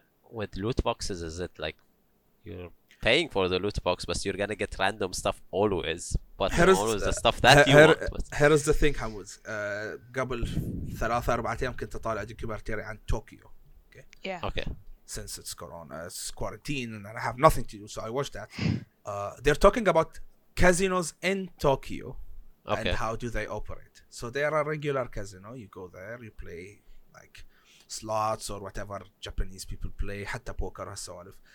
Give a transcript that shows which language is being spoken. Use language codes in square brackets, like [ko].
[en] With loot boxes, is it like you're paying for the loot box, but you're gonna get random stuff always. But always the stuff that you want. Here is the thing, Hamoud. [ar] قبل ثلاثة أربعة أيام كنت طالع دوكيومنتري عن طوكيو. [en] Okay. Yeah. Okay. Since it's Corona, it's quarantine, and I have nothing to do, so I watched that. They're talking about casinos in Tokyo, okay, and how do they operate. So they're a regular casino. You go there, you play like slots or whatever Japanese people play, حتى poker or so on.